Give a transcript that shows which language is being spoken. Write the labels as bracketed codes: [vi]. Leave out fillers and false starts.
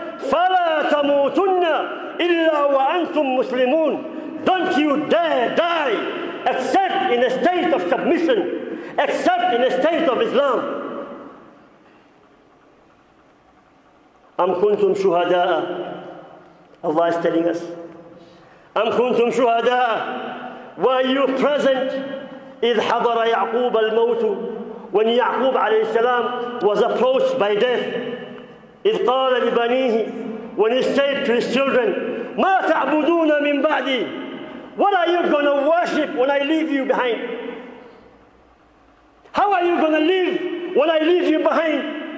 [ar] فَلَا تَمُوتُنَّ إِلَّا وَأَنْتُمْ مُسْلِمُونَ. [en] Don't you dare die except in a state of submission, except in a state of Islam. [ar] أَمْ كُنْتُمْ شُهَدَاءَ, [en] Allah is telling us. [ar] أَمْ كُنْتُمْ شُهَدَاءَ, [en] were you present, [ar] إِذْ حَضَرَ يَعْقُوبَ الْمَوْتُ, [en] when Ya'qub alayhi salam was approached by death. [ar] إِذْ قَالَ لِبَنِيهِ, [en] when he said to his children, [ar] مَا تَعْبُدُونَ مِنْ بَعْدِي, [en] what are you going to worship when I leave you behind? How are you going to live when I leave you behind?